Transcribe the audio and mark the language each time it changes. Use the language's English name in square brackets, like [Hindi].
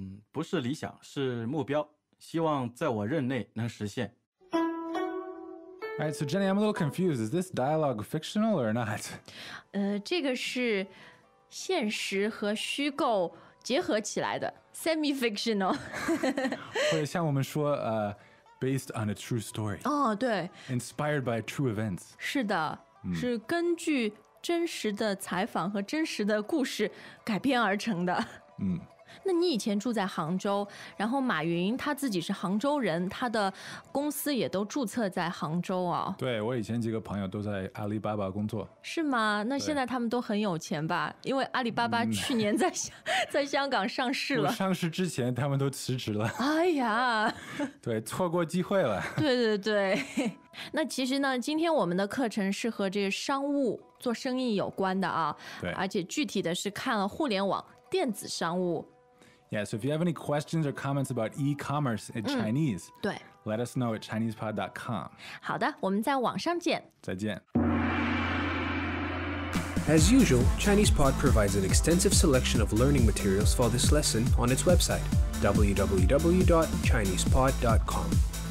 [Chinese] 不是理想，是目标，希望在我任内能实现。 [English] All right, so Jenny, I'm a little confused. Is this dialogue fictional or not? [Chinese] 这个是现实和虚构结合起来的 ，semi-fictional。或者像我们说 [English] Based on a true story. [Chinese] 哦，对。 [English] Inspired by true events. [Chinese] 是的，是根据真实的采访和真实的故事改编而成的。嗯。那你以前住在杭州，然后马云他自己是杭州人，他的公司也都注册在杭州哦。对，我以前几个朋友都在阿里巴巴工作。是吗？那现在他们都很有钱吧？因为阿里巴巴去年在香港上市了。上市之前他们都辞职了。哎呀。对，错过机会了。对对对。那其实呢，今天我们的课程是和这个商务做生意有关的啊。对。而且具体的是看了互联网电子商务。 [English] Yeah, so if you have any questions or comments about e-commerce in Chinese, [Chinese] 对。 [English] Let us know at ChinesePod.com. [Chinese] 好的，我们在网上见。再见。 [English] As usual, ChinesePod provides an extensive selection of learning materials for this lesson on its website, www.chinesepod.com.